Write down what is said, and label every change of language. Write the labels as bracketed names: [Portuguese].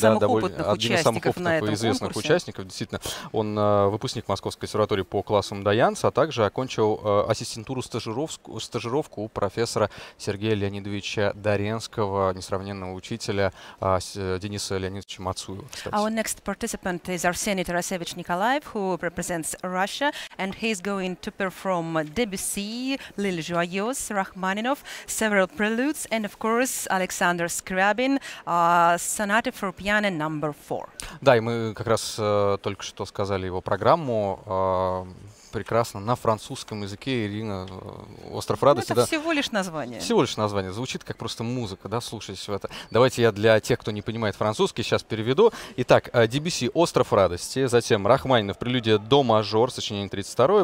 [Russian] да, довольно, один из самых опытных и известных конкурсе. Участников. Действительно, он выпускник Московской консерватории по классу Мдоянса, а также окончил ассистентуру стажировку у профессора Сергея Леонидовича Доренского, несравненного учителя Дениса Леонидовича Мацуева. Кстати. [English] Our next participant is Арсений Тарасевич Николаев, who represents Russia, and he's going to perform Debussy, L'Île Joyeuse, Rachmaninoff, several preludes, and of course Alexander Scriabin, Sonata for Piano number 4. [Russian] Да, и мы как раз только что сказали его программу. Прекрасно. На французском языке, Ирина, остров радости. Ну, это всего лишь название. Всего лишь название. Звучит как просто музыка, да, слушайте в это. Давайте я для тех, кто не понимает французский, сейчас переведу. Итак, Дебюсси, остров радости. Затем Рахманинов, прелюдия до мажор, сочинение 32.